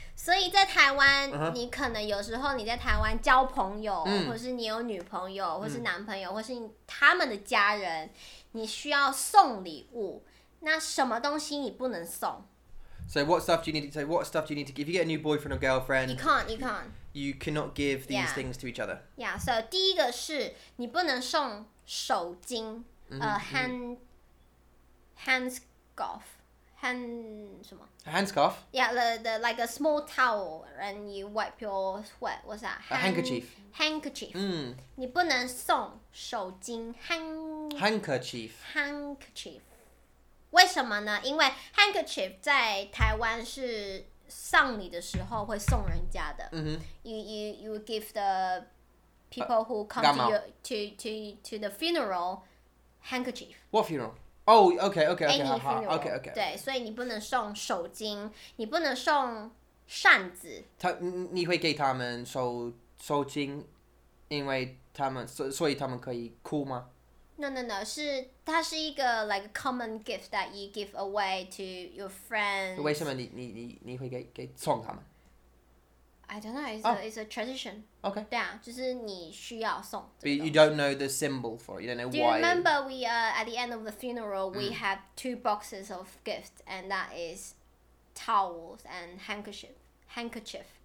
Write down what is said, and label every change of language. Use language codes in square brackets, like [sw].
[zh] 所以在台湾你可能有时候你在台湾交朋友或是你有女朋友或是男朋友或是他们的家人你需要送礼物那什么东西你不能送 [en] So what stuff do you need to say? What stuff do you need to give? If you get a new boyfriend or girlfriend You can't You cannot give these things to each other Yeah, so [zh] 第一个是你不能送手巾Handscarf? [en] Yeah, the like a small towel and you wipe your sweat. What's that? A handkerchief. [zh] Handkerchief. 你不能送手巾 [en] Handkerchief. [zh] Handkerchief. 为什么呢？因为 handkerchief 在台湾是丧礼的时候会送人家的。 [en] You give the people who come to the funeral handkerchief. What funeral? Oh, okay. Any funeral. Okay. [zh] 对，所以你不能送手巾，你不能送扇子。他，你会给他们手巾，因为他们所以他们可以哭吗 [en] ？No. [zh] 是它是一个 [en] like common gift that you give away to your friends. [zh] 为什么你会给送他们 [en] ？I don't know. It's a tradition. Okay. [zh] 对啊，就是你需要送。 [en] But you don't know the symbol for it. You don't know why. Do you remember we at the end of the funeral we have two boxes of gifts and that is towels and handkerchief.